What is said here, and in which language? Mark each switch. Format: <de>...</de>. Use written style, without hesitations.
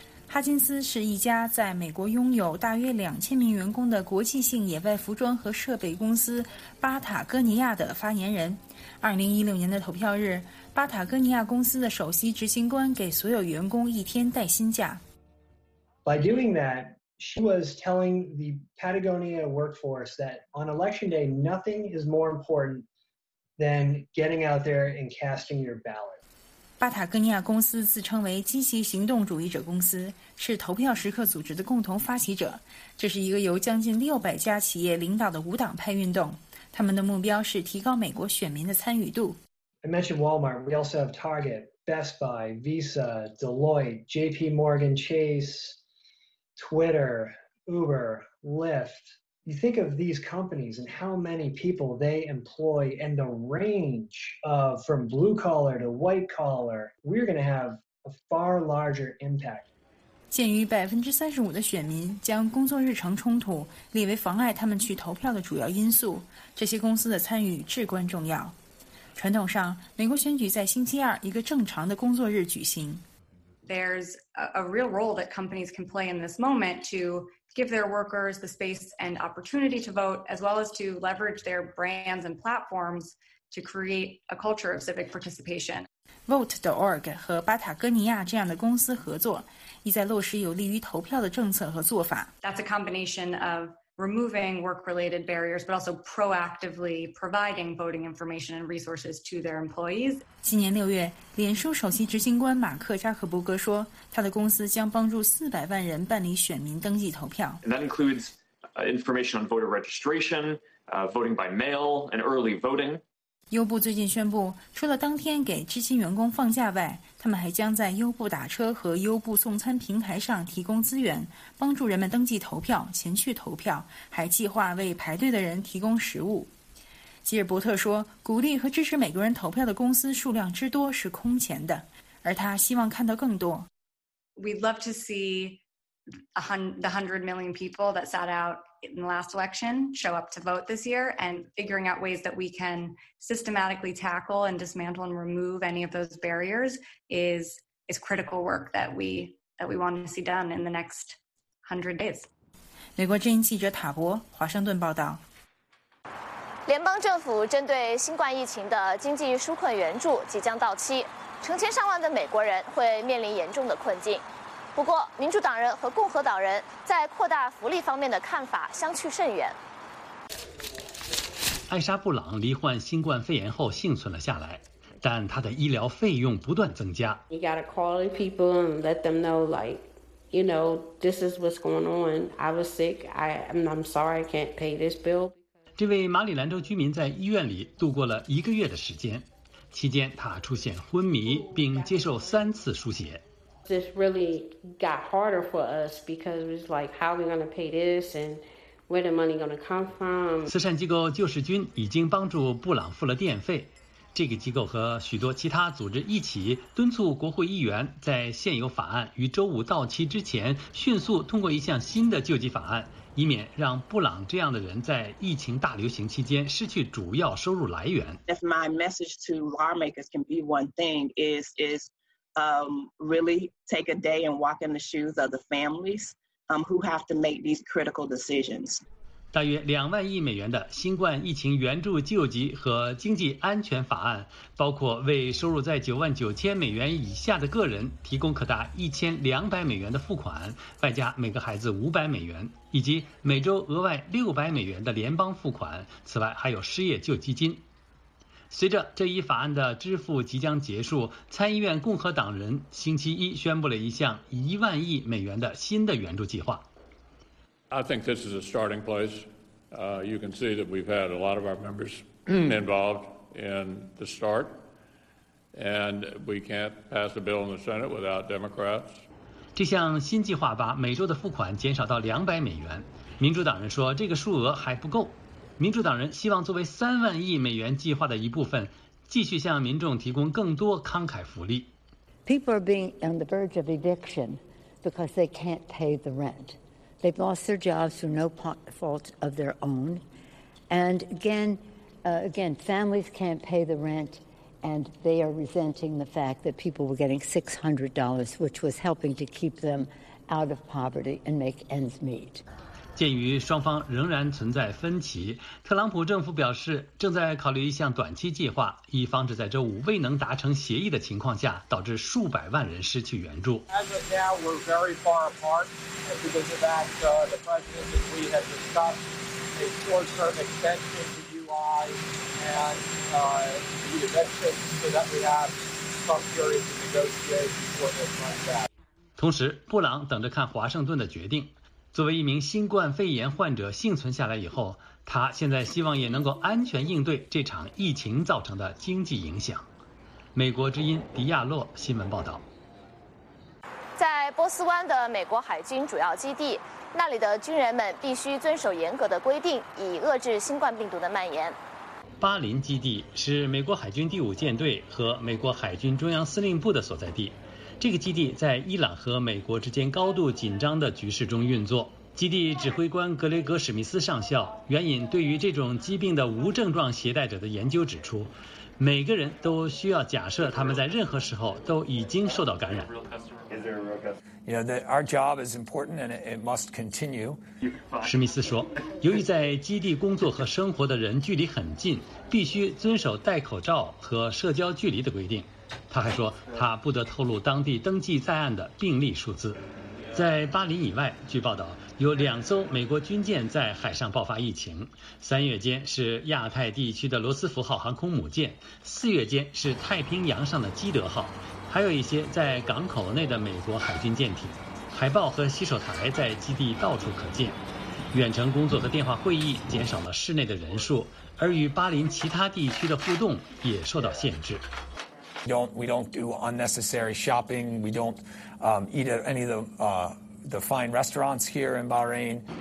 <zh>哈金斯是一家在美国拥有大约2000名员工的国际性野外服装和设备公司巴塔哥尼亚的发言人。 2016年的投票日，巴塔哥尼亚公司的首席执行官给所有员工1天带薪假。</zh> <en>By doing that, she was telling the Patagonia workforce that on election day, nothing is more important than getting out there and casting your ballot.</en> <zh>巴塔哥尼亚公司自称为积极行动主义者公司，是投票时刻组织的共同发起者。这是一个由将近600家企业领导的无党派运动，他们的目标是提高美国选民的参与度。</zh> <en>I mentioned Walmart, we also have Target, Best Buy, Visa, Deloitte, JP Morgan Chase, Twitter, Uber, Lyft. You think of these companies and how many people they employ and the range of from blue collar to white collar, we're going to have a far larger impact.</en> <zh>鉴于35%的选民将工作日程冲突列为妨碍他们去投票的主要因素，这些公司的参与至关重要。传统上，美国选举在星期二一个正常的工作日举行。</zh> <en>there's a real role that companies can play in this moment to give their workers the space and opportunity to vote, as well as to leverage their brands and platforms to create a culture of civic participation.</en> <zh>Vote.org 和巴塔哥尼亚这样的公司合作，意在落实有利于投票的政策和做法。</zh> <en>That's a combination of removing work-related barriers, but also proactively providing voting information and resources to their employees.</en> <zh>今年六月，脸书首席执行官马克扎克伯格说，他的公司将帮助400万人办理选民登记投票。</zh> <en>And that includes information on voter registration, voting by mail, and early voting.</en> <zh>优步最近宣布，除了当天给知情员工放假外，他们还将在优步打车和优步送餐平台上提供资源，帮助人们登记投票、前去投票，还计划为排队的人提供食物。吉尔伯特说，鼓励和支持美国人投票的公司数量之多是空前的，而他希望看到更多。</zh> <en>We'd love to see the 100 million people that sat out. In the last election, show up to vote this year, and figuring out ways that we can systematically tackle and dismantle and remove any of those barriers is critical work that we want to see done in the next 100 days.</en> <zh>美国之音记者塔博，华盛顿报道。联邦政府针对新冠疫情的经济纾困援助即将到期，成千上万的美国人会面临严重的困境。不过，民主党人和共和党人在扩大福利方面的看法相去甚远。艾莎·布朗罹患新冠肺炎后幸存了下来，但她的医疗费用不断增加。</zh> <en>You gotta call people and let them know, like, you know, this is what's going on. I was sick. I'm sorry I can't pay this bill.</en> <zh>这位马里兰州居民在医院里度过了一个月的时间，期间他出现昏迷，并接受三次输血。</zh> <en>This really got harder for us because it was like, how are we going to pay this and where the money going to come from?</en> <zh>慈善机构救世军已经帮助布朗付了电费。这个机构和许多其他组织一起敦促国会议员在现有法案于周五到期之前迅速通过一项新的救济法案，以免让布朗这样的人在疫情大流行期间失去主要收入来源。</zh> <en>If my message to lawmakers can be one thing is,really take a day and walk in the shoes of the families, who have to make these critical decisions.</en> <zh>大约两万亿美元的新冠疫情援助救济和经济安全法案，包括为收入在99,000美元以下的个人提供可达1,200美元的付款，外加每个孩子500美元，以及每周额外600美元的联邦付款。此外，还有失业救济金。随着这一法案的支付即将结束，参议院共和党人星期一宣布了一项10,000亿美元的新的援助计划。</zh> <en>I think this is a starting place. You can see that we've had a lot of our members involved in the start, and we can't pass a bill in the Senate without Democrats.</en> <zh>这项新计划把每周的付款减少到200美元。民主党人说这个数额还不够。民主党人希望作为30,000亿美元计划的一部分，继续向民众提供更多慷慨福利。</zh> <en>People are being on the verge of eviction because they can't pay the rent. They've lost their jobs through no fault of their own. And again, families can't pay the rent, and they are resenting the fact that people were getting $600, which was helping to keep them out of poverty and make ends meet.</en> <zh>鉴于双方仍然存在分歧，特朗普政府表示正在考虑一项短期计划，以防止在周五未能达成协议的情况下导致数百万人失去援助。</zh> <en>As of now, we're very far apart because of that. The president and we have discussed a short-term extension to July and the eviction so that we have some period to negotiate before this runs out.</en> <zh>同时，布朗等着看华盛顿的决定。作为一名新冠肺炎患者幸存下来以后，他现在希望也能够安全应对这场疫情造成的经济影响。美国之音迪亚洛新闻报道。在波斯湾的美国海军主要基地，那里的军人们必须遵守严格的规定，以遏制新冠病毒的蔓延。巴林基地是美国海军第五舰队和美国海军中央司令部的所在地。这个基地在伊朗和美国之间高度紧张的局势中运作。基地指挥官格雷格·史密斯上校援引对于这种疾病的无症状携带者的研究指出，每个人都需要假设他们在任何时候都已经受到感染。</zh> <en>Is there a real guess? You know, that our job is important and it must continue.</en> <zh>史密斯说，由于在基地工作和生活的人距离很近，必须遵守戴口罩和社交距离的规定。他还说，他不得透露当地登记在案的病例数字。在巴黎以外，据报道，有两艘美国军舰在海上爆发疫情。三月间是亚太地区的罗斯福号航空母舰，四月间是太平洋上的基德号，还有一些在港口内的美国海军舰艇。海报和洗手台在基地到处可见。远程工作和电话会议减少了室内的人数，而与巴林其他地区的互动也受到限制。</zh> <en>We don't do unnecessary shopping. We don't eat at any of the fine restaurants here in Bahrain.</en>